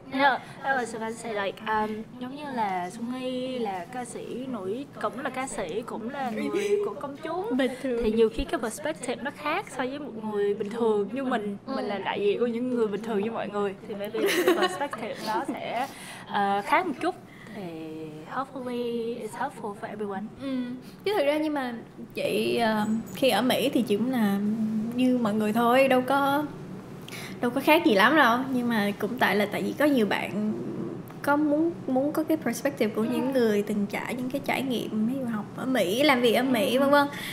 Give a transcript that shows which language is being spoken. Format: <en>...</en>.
<en>No, I was about to say like</en> <vi>giống như là Xuân Nghi là ca sĩ nổi, cũng là ca sĩ, cũng là người của công chúng. Bình thường. Thì nhiều khi cái perspective nó khác so với một người bình thường như mình. Mình là đại diện của những người bình thường như mọi người. Thì maybe perspective nó sẽ khác một chút. Thì</vi> <en>hopefully it's helpful for everyone.</en> <vi>Chứ thực ra nhưng mà chị khi ở Mỹ thì chị cũng là như mọi người thôi, đâu có khác gì lắm đâu, nhưng mà cũng tại vì có nhiều bạn có muốn có cái perspective của những người từng trải những cái trải nghiệm ví dụ học ở Mỹ, làm việc ở Mỹ vân vân.</vi>